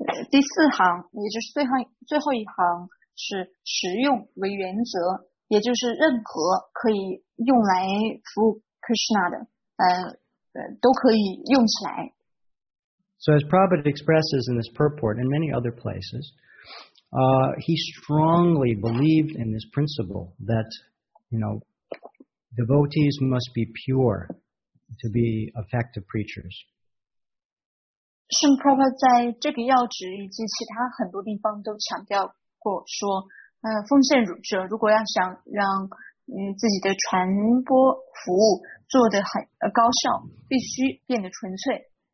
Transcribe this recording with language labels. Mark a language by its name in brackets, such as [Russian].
[Chinese] 第四行，也就是最后一行是实用为原则，也就是任何可以用来服务 Krishna 的都可以用起来。 [English] So as Prabhupada expresses in this purport and many other places, he strongly believed in this principle that, you know, devotees must be pure to be effective preachers. [Chinese] 圣普拉帕在这个要旨以及其他很多地方都强调过说奉献者如果要想让自己的传播服务做得很高效，必须变得纯粹。